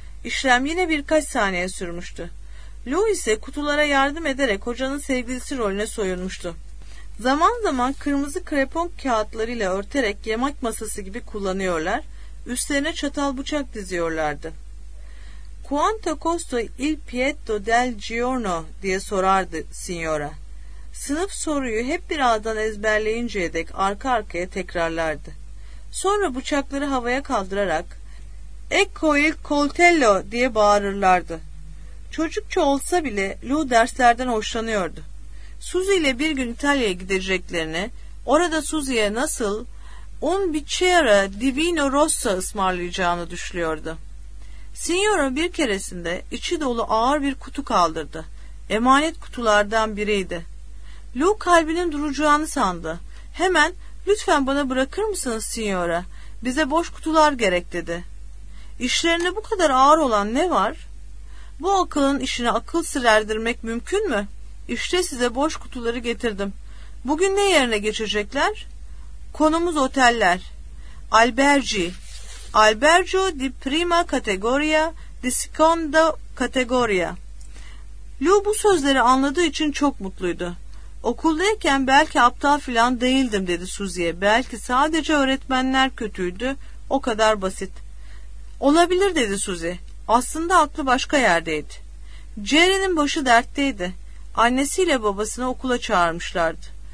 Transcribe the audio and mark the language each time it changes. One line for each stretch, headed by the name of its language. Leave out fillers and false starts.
Turkish: İşlem yine birkaç saniye sürmüştü. Lou ise kutulara yardım ederek hocanın sevgilisi rolüne soyunmuştu. Zaman zaman kırmızı krepon kağıtlarıyla örterek yemek masası gibi kullanıyorlar, üstlerine çatal bıçak diziyorlardı.
Italian: Quanto costa il piatto del giorno
Turkish: diye sorardı signora. Sınıf soruyu hep bir ağdan ezberleyinceye dek arka arkaya tekrarlardı. Sonra bıçakları havaya kaldırarak
Italian: ecco il coltello
Turkish: diye bağırırlardı. Çocukça olsa bile Lou derslerden hoşlanıyordu. Suzy ile bir gün İtalya'ya gideceklerini, orada Suzy'ye nasıl
Italian: un bicchiere di vino rosso
Turkish: ısmarlayacağını düşünüyordu. Signora bir keresinde içi dolu ağır bir kutu kaldırdı. Emanet kutulardan biriydi. Lou kalbinin duracağını sandı. Hemen "Lütfen bana bırakır mısınız signora? Bize boş kutular gerek." dedi. İşlerine bu kadar ağır olan ne var? Bu akılın işine akıl sır erdirmek mümkün mü? İşte size boş kutuları getirdim. Bugün ne yerine geçecekler? Konumuz oteller. Albergi.
Italian: Albergio di prima categoria, di seconda categoria.
Turkish: Lou bu sözleri anladığı için çok mutluydu. Okuldayken belki aptal filan değildim dedi Suzy'ye. Belki sadece öğretmenler kötüydü. O kadar basit. Olabilir dedi Suzy. Aslında aklı başka yerdeydi. Jerry'nin başı dertteydi. Annesiyle babasını okula çağırmışlardı.